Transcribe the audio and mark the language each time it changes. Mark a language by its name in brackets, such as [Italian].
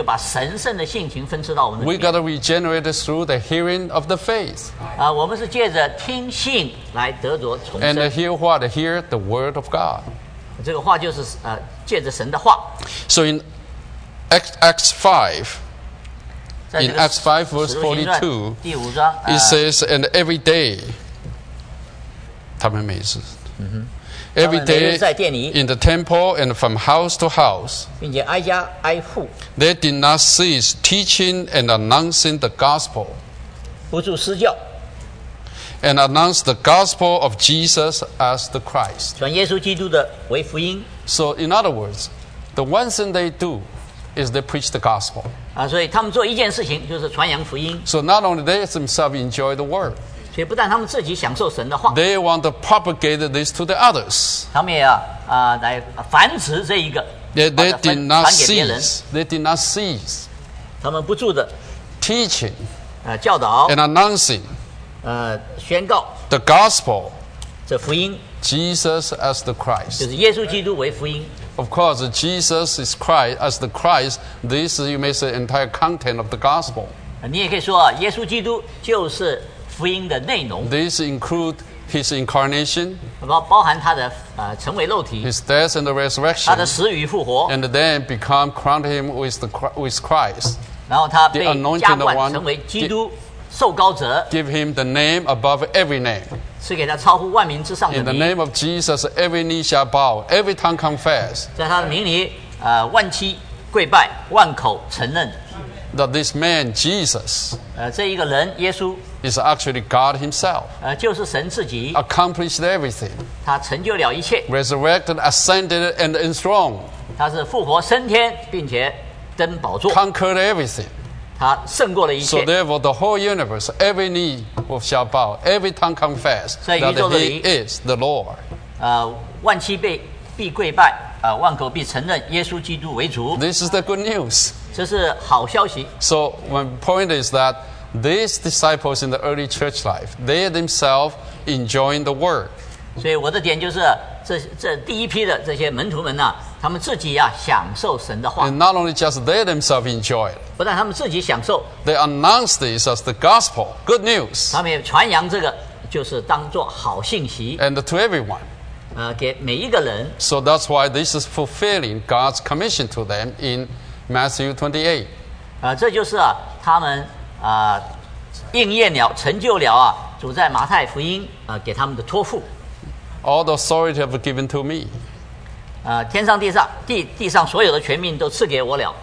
[Chinese] 当他们坚定持续在神的话里，这就把神圣的性情分赐到我们的里面。 [English] We got to regenerate through the hearing of the faith. [Chinese] 我们是借着听信来得着重生。 [English] And hear what? Hear the word of God. [Chinese] 这个话就是借着神的话。 [English] So in Acts 5, in Acts 5 verse 42, it says, and every day, [Chinese] 他们每次。 [English] Every day in the temple and from house to house, [Chinese] 并且挨家挨户, [English] they did not cease teaching and announcing the gospel. [Chinese] 不住施教, [English] and announced the gospel of Jesus as the Christ. [Chinese] 传耶稣基督的为福音, [English] so, in other words, the one thing they do is they preach the gospel. [Chinese] 所以他们做一件事情就是传扬福音. [English] So, not only they themselves enjoy the word. [Chinese] 所以不但他们自己享受神的话, [English] they want to propagate this to the others. [Chinese] 他们也要来繁殖这一个, [English] they did not cease. [Chinese] 他们不住的, [English] teaching, [Chinese] 教导, [English] and announcing, [Chinese] 宣告, [English] the gospel, [Chinese] 这福音, [English] Jesus as the Christ. [Chinese] 就是耶稣基督为福音。 [English] Of course, Jesus is Christ as the Christ. This, you may say, entire content of the gospel. [Chinese] 你也可以说耶稣基督就是 [English] This includes his incarnation, [Chinese] 包含他的成为肉体, [English] his death and the resurrection, [Chinese] 他的死与复活, [English] and then become crowned him with Christ. [Chinese] 然后他被加冠成为基督, [English] the anointed one, give him the name above every name. [Chinese] 赐给他超乎万名之上的名, [English] in the name of Jesus, every knee shall bow, every tongue confess. [Chinese] 在他的名里, 万膝跪拜, 万口承认, [English] that this man, Jesus, [Chinese] 这一个人, 耶稣, [English] is actually God himself. [Chinese] 就是神自己, [English] accomplished everything. [Chinese] 他成就了一切, [English] resurrected, ascended, and enthroned. [Chinese] 他是复活升天, 并且登宝座, [English] conquered everything. [Chinese] 他胜过了一切, [English] so therefore, the whole universe, every knee shall bow, every tongue confess that he is the Lord. [Chinese] 万膝必跪拜, 万口必承认耶稣基督为主。 [English] This is the good news. [Chinese] 这是好消息。 [English] So my point is that these disciples in the early church life, they themselves enjoying the word. [Chinese] 所以我的点就是这第一批的这些门徒们呢, 他们自己啊, 享受神的话。 [English] And not only just they themselves enjoy it, [Chinese] 不但他们自己享受, [English] they announce this as the gospel, good news. [Chinese] 他们也传扬这个, 就是当作好信息。 [English] And to everyone. [Chinese] 给每一个人。 [English] So that's why this is fulfilling God's commission to them in Matthew 28. [Chinese] 这就是啊, 他们, 应验了, 成就了啊, 主在马太福音, 给他们的托付。 [English] All the authority have given to me. [Chinese] 天上地上, 地上所有的权柄都赐给我了。